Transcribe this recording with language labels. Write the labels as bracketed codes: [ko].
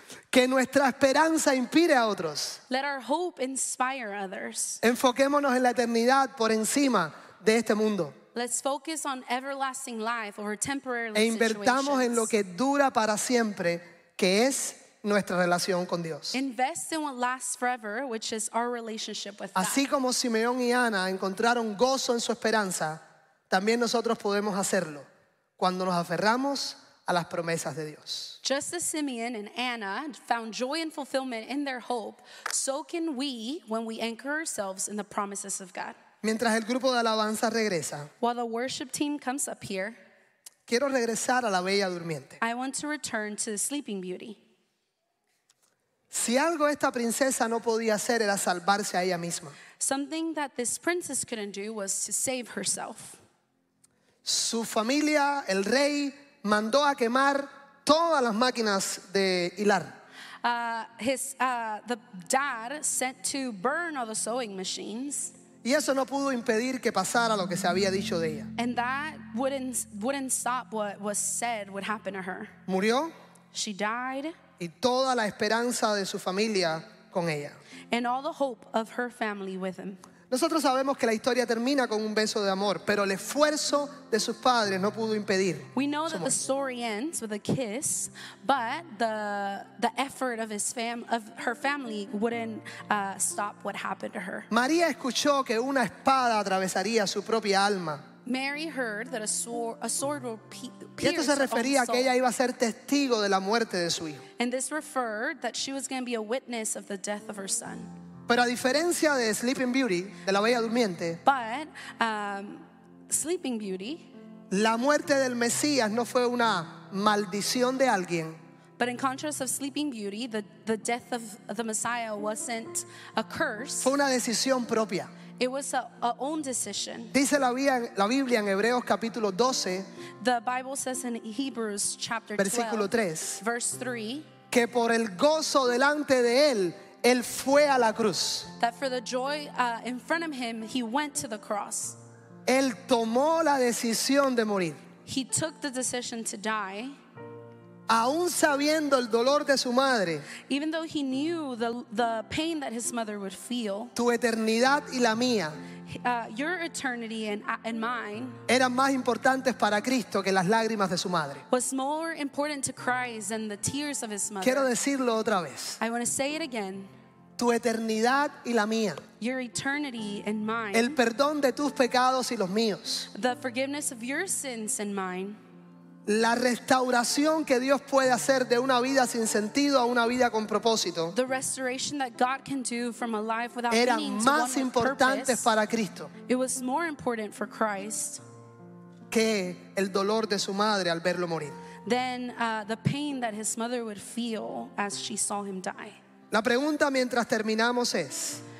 [es] Que nuestra esperanza inspire a otros. [en] Let our hope inspire others. [es] Enfoquémonos en la eternidad por encima de este mundo. [en] Let's focus on everlasting life over temporary situations. [es] E invertamos en lo que dura para siempre, que es nuestra relación con Dios. [en] Invest in what lasts forever, which is our relationship with God. [es] Así como Simeón y Ana encontraron gozo en su esperanza, también nosotros podemos hacerlo cuando nos aferramos a las promesas de Dios. [en] Just as Simeon and Anna found joy and fulfillment in their hope, so can we when we anchor ourselves in the promises of God. [es] Mientras el grupo de alabanza regresa, [en] while the worship team comes up here, [es] quiero regresar a la Bella Durmiente. [en] I want to return to the Sleeping Beauty. [es] Si algo esta princesa no podía hacer era salvarse a ella misma. [en] Something that this princess couldn't do was to save herself. [es] Su familia, el rey, mandó a quemar todas las máquinas de hilar. [en] The dad sent to burn all the sewing machines. [es] Y eso no pudo impedir que pasara lo que se había dicho de ella. [en] And that wouldn't stop what was said would happen to her. [es] Murió. [en] She died. [es] Y toda la esperanza de su familia con ella. [en] And all the hope of her family with him. [es] Nosotros sabemos que la historia termina con un beso de amor, pero el esfuerzo de sus padres no pudo impedir. [en] We know that the story ends with a kiss, but the effort of her family wouldn't stop what happened to her. [es] María escuchó que una espada atravesaría su propia alma. [en] Mary heard that a sword will pierce her own soul. [es] Y esto se refería a que ella iba a ser testigo de la muerte de su hijo. [en] And this referred that she was going to be a witness of the death of her son. [es] Pero a diferencia de Sleeping Beauty, de la Bella Durmiente, [en] but, Sleeping Beauty, [es] la muerte del Mesías no fue una maldición de alguien. [en] But in contrast of Sleeping Beauty, the death of the Messiah wasn't a curse. [es] Fue una decisión propia. [en] It was a own decision. [es] Dice la Biblia en Hebreos capítulo 12, [en] the Bible says in Hebrews chapter [es] 12, versículo [en] 3, verse 3, [es] que por el gozo delante de él, él fue a la cruz. [en] That for the joy in front of him, he went to the cross. [es] Él tomó la decisión de morir. [en] He took the decision to die. [es] Aún sabiendo el dolor de su madre, [en] even though he knew the pain that his mother would feel, [es] tu eternidad y la mía, [en] your eternity and mine, [es] eran más importantes para Cristo que las lágrimas de su madre. [en] Was more important to Christ than the tears of his mother. [es] Quiero decirlo otra vez. [en] I want to say it again. [es] Tu eternidad y la mía, [en] your eternity and mine, [es] el perdón de tus pecados y los míos, [en] the forgiveness of your sins and mine, [es] la restauración que Dios puede hacer de una vida sin sentido a una vida con propósito, [en] the restoration that God can do from a life without meaning to one purpose, [es] eran más importantes para Cristo. [en] It was more important for Christ [es] que el dolor de su madre al verlo morir, [en] than the pain that his mother would feel as she saw him die. [es] La pregunta mientras terminamos es,